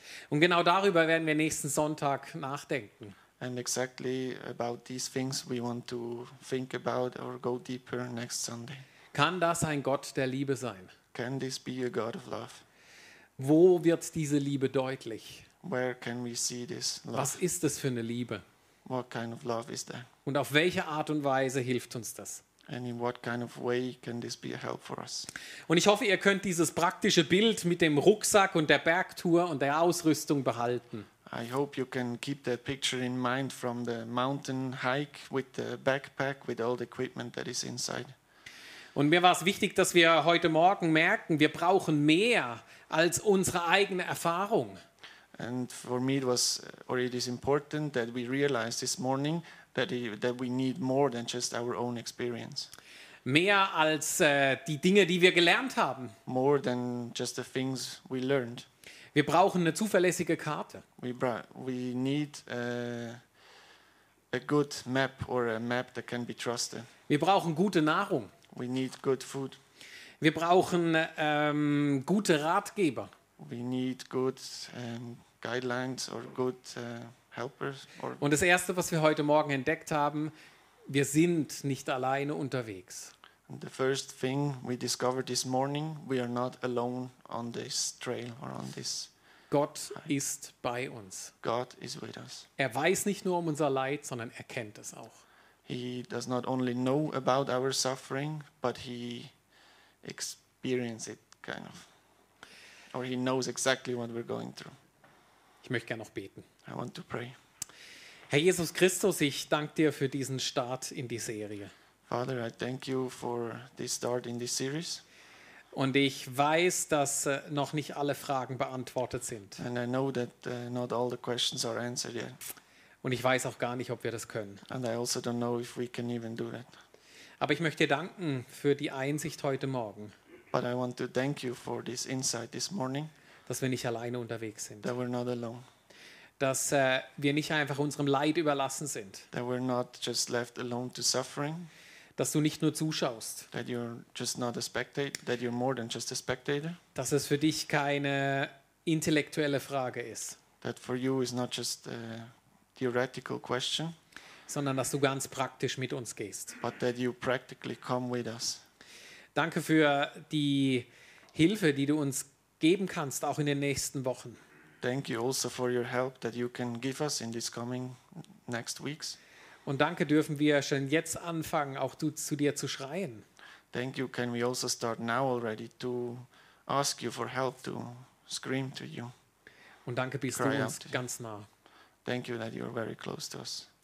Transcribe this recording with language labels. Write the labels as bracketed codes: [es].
[de] Und genau darüber werden wir nächsten Sonntag nachdenken. [en] And exactly about these things we want to think about or go deeper next Sunday. [de] Kann das ein Gott der Liebe sein? [en] Can this be a God of love? [de] Wo wird diese Liebe deutlich? [en] Where can we see this love? [de] Was ist das für eine Liebe? [en] What kind of love is that? [de] Und auf welche Art und Weise hilft uns das? [en] And in what kind of way can this be a help for us? [de] Und ich hoffe, ihr könnt dieses praktische Bild mit dem Rucksack und der Bergtour und der Ausrüstung behalten. [en] I hope you can keep that picture in mind from the mountain hike with the backpack with all the equipment that is inside. [de] Und mir war es wichtig, dass wir heute Morgen merken, wir brauchen mehr als unsere eigene Erfahrung. [en] And for me it was, or it is important that we realize this morning that we need more than just our own experience. [de] Mehr als die Dinge, die wir gelernt haben. [en] More than just the things we learned. [de] Wir brauchen eine zuverlässige Karte. [en] We need a good map or a map that can be trusted. [de] Wir brauchen gute Nahrung. [en] We need good food. [de] Wir brauchen gute Ratgeber. [en] We need good guidelines or good helpers. Or [de] und das Erste, was wir heute Morgen entdeckt haben, wir sind nicht alleine unterwegs. [en] And the first thing we discovered this morning, we are not alone on this trail or on this. [de] Gott ist bei uns. [en] God is with us. [de] Er weiß nicht nur um unser Leid, sondern er kennt es auch. [en] He does not only know about our suffering, but he experiences it kind of. Or he knows exactly what we're going through. [de] Ich möchte gerne noch beten. [en] I want to pray. [de] Herr Jesus Christus, ich danke dir für diesen Start in die Serie. [en] Father, I thank you for this start in this series. [de] Und ich weiß, dass noch nicht alle Fragen beantwortet sind. [en] And I know that not all the questions are answered yet. [de] Und ich weiß auch gar nicht, ob wir das können. [en] And I also don't know if we can even do that. [de] Aber ich möchte dir danken für die Einsicht heute Morgen. [en] But I want to thank you for this insight this morning. [de] Dass wir nicht alleine unterwegs sind. [en] That we're not alone. [de] Dass wir nicht einfach unserem Leid überlassen sind. [en] That we're not just left alone to suffering. [de] Dass du nicht nur zuschaust. [en] That you're just not a spectator. That you're more than just a spectator. [de] Dass es für dich keine intellektuelle Frage ist. [en] That for you is not just a theoretical question. [de] Sondern dass du ganz praktisch mit uns gehst. [en] But that you practically come with us. [de] Danke für die Hilfe, die du uns geben kannst, auch in den nächsten Wochen. [en] Thank you also for your help that you can give us in these coming next weeks. [de] Und danke, dürfen wir schon jetzt anfangen, auch zu dir zu schreien. [en] Thank you, can we also start now already to ask you for help, to scream to you. [de] Und danke, bist du uns ganz nah. [en] Thank you that you are very close to us.